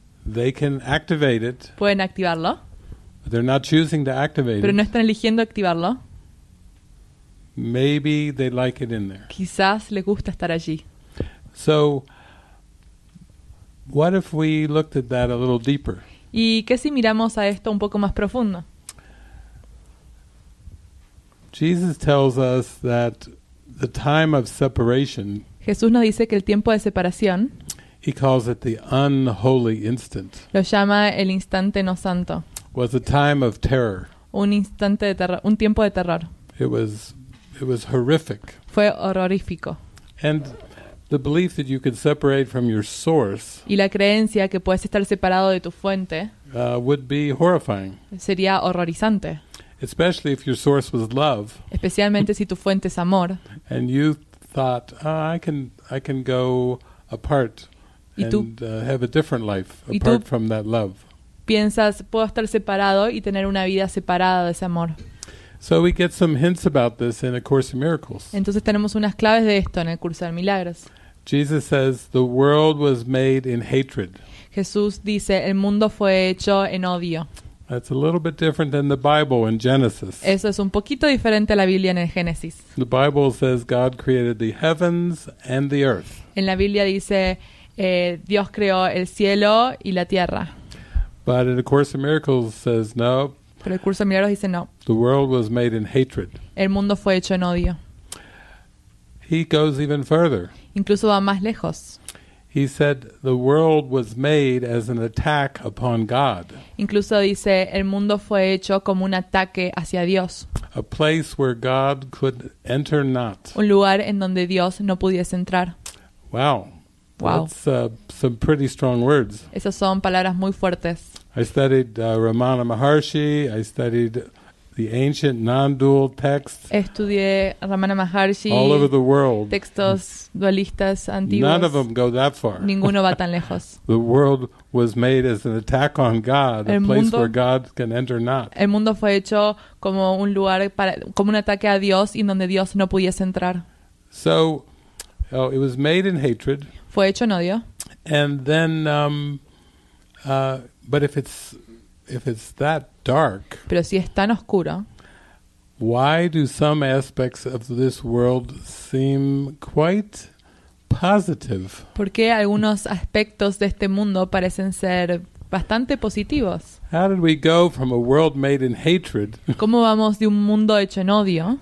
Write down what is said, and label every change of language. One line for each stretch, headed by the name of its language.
English: They can activate it.
Spanish: Pueden activarlo.
English: But they're not choosing to activate it.
Spanish: Pero no están eligiendo activarlo.
English: Maybe they like it in there.
Spanish: Quizás les gusta estar allí.
English: So, what if we looked at that a little deeper?
Spanish: ¿Y qué si miramos a esto un poco más profundo?
English: Jesus tells us that the time of separation,
Spanish: Jesús nos dice que el tiempo de separación,
English: he calls it the unholy instant,
Spanish: lo llama el instante no santo,
English: was a time of terror.
Spanish: Un instante de terror, un tiempo de terror.
English: It was horrific.
Spanish: Fue horrorífico.
English: And the belief that you could separate from your source,
Spanish: y la creencia que puedes estar separado de tu fuente,
English: would be horrifying.
Spanish: Sería horrorizante.
English: Especially if your source was love.
Spanish: Especialmente si tu fuente es amor.
English: And you thought, oh, I can go apart and have a different life apart from that love.
Spanish: Piensas, puedo estar separado y tener una vida separada de ese amor.
English: So we get some hints about this in A Course in Miracles.
Spanish: Entonces tenemos unas claves de esto en el curso de milagros.
English: Jesus says the world was made in hatred.
Spanish: Jesús dice el mundo fue hecho en odio.
English: That's a little bit different than the Bible in Genesis.
Spanish: Eso es un poquito diferente a la Biblia en el Génesis.
English: The Bible says God created the heavens and the earth.
Spanish: En la Biblia dice Dios creó el cielo y la tierra.
English: But in A Course in Miracles says no.
Spanish: Pero el curso de milagros dice no.
English: The world was made in hatred.
Spanish: El mundo fue hecho en odio.
English: He goes even further.
Spanish: Incluso va más lejos.
English: He said the world was made as an attack upon God.
Spanish: Incluso dice el mundo fue hecho como un ataque hacia Dios.
English: A place where God could enter not.
Spanish: Un lugar en donde Dios no pudiese entrar.
English: Wow. That's some pretty strong words.
Spanish: Esas son palabras muy fuertes.
English: I studied Ramana Maharshi. I studied the ancient non-dual texts.
Spanish: Estudié Ramana Maharshi.
English: All over the world.
Spanish: Textos dualistas antiguos.
English: None of them go that far.
Spanish: Ninguno va tan lejos.
English: The world was made as an attack on God,
Spanish: el
English: a
Spanish: mundo,
English: place where God can enter not.
Spanish: El mundo fue hecho como un lugar para como un ataque a Dios y donde Dios no pudiese entrar.
English: So, it was made in hatred.
Spanish: Fue hecho en odio.
English: And then, but if it's that dark,
Spanish: pero si es tan oscuro,
English: why do some aspects of this world seem quite positive?
Spanish: ¿Por qué algunos aspectos de este mundo parecen ser bastante positivos?
English: How did we go from a world made in hatred?
Spanish: ¿Cómo vamos de un mundo hecho en odio?